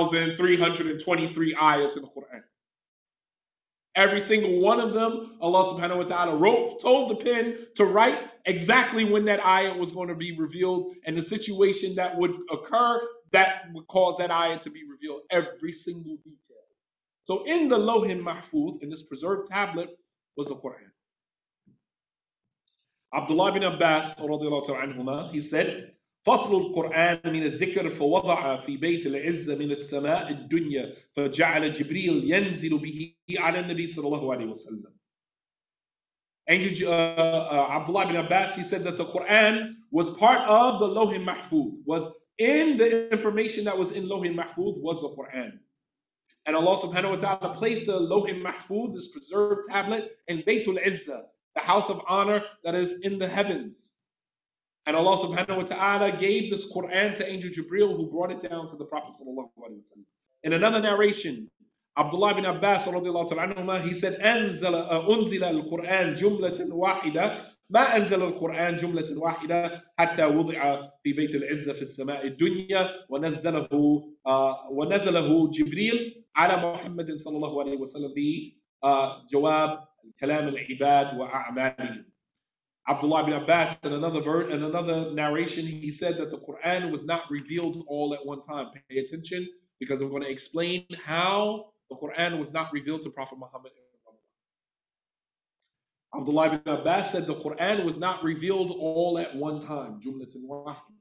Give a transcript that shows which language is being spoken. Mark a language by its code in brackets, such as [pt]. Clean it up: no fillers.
[en] 6,323 ayahs in the Quran. Every single one of them, Allah subhanahu wa ta'ala wrote, told the pen to write exactly when that ayah was going to be revealed and the situation that would occur that would cause that ayah to be revealed, every single detail. So in the Lohim Mahfuz, in this preserved tablet, was the Quran. Abdullah ibn Abbas, radiallahu ta'ala anhuma, he said, [ar] فصل القرآن من الذكر فوضع في بيت العزة من السماء الدنيا فجعل جبريل ينزل به على النبي صلى الله عليه وسلم. [en] Angel Abdullah ibn Abbas, he said that the Quran was part of the Lohim Mahfuz, was in the information that was in Lohim Mahfuz was the Quran. And Allah subhanahu wa ta'ala placed the Lohim Mahfuz, this preserved tablet, in Baytul Izzah, the house of honor that is in the heavens. And Allah subhanahu wa ta'ala gave this Quran to Angel Jibril, who brought it down to the Prophet sallallahu alayhi wa sallam. In another narration, Abdullah ibn Abbas radiallahu ta'ala anhumah, he said, [ar] أنزل القرآن جملة واحدة ما أنزل القرآن جملة واحدة حتى وضع في بيت العزة في السماء الدنيا ونزله جبريل على محمد صلى الله عليه وسلم بجواب كلام العباد وأعماله. [en] Abdullah ibn Abbas, in another narration, he said that the Quran was not revealed all at one time. Pay attention, because I'm going to explain how the Quran was not revealed to Prophet Muhammad. Abdullah ibn Abbas said the Quran was not revealed all at one time. Jumlatun wahid.